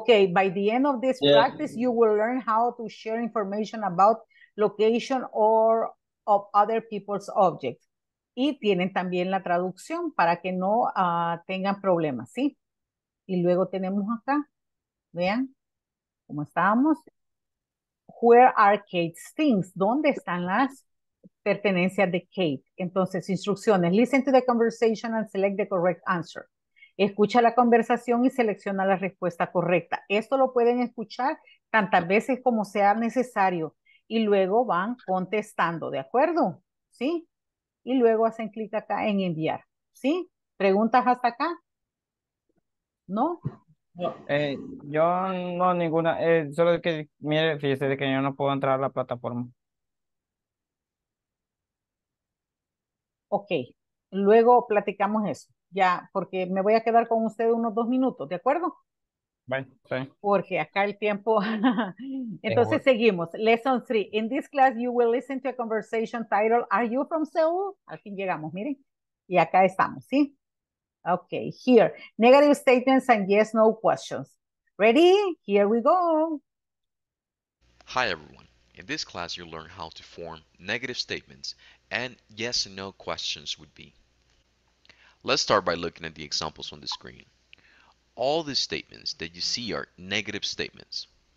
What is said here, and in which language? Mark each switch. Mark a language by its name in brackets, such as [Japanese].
[English] Okay, by the end of this practice, you will learn how to share information about location or of other people's objects. [Spanish] Y tienen también la traducción para que no tengan problemas, ¿sí? Y luego tenemos acá, vean cómo estábamos. [English] Where are Kate's things? [Spanish] ¿Dónde están las pertenencia de Kate? Entonces, instrucciones. [English] Listen to the conversation and select the correct answer. [Spanish] Escucha la conversación y selecciona la respuesta correcta. Esto lo pueden escuchar tantas veces como sea necesario y luego van contestando, ¿de acuerdo? ¿Sí? Y luego hacen clic acá en enviar. ¿Sí? ¿Preguntas hasta acá? ¿No? Yo no, ninguna. Solo que, mire, fíjese de que yo no puedo entrar a la plataforma. Ok, luego platicamos eso, ya, porque me voy a quedar con usted unos 2 minutos, ¿de acuerdo? [English] Bye. [Spanish] Porque acá el tiempo, entonces seguimos. [English] Lesson 3, in this class you will listen to a conversation titled, are you from Seoul? [Spanish] Al fin llegamos, miren, y acá estamos, ¿sí? [English] Ok, here, negative statements and yes, no questions. Ready? Here we go. Hi, everyone. In this class, you learn how to form negative statements and yes and no questions would be. Let's start by looking at the examples on the screen. All the statements that you see are negative statements.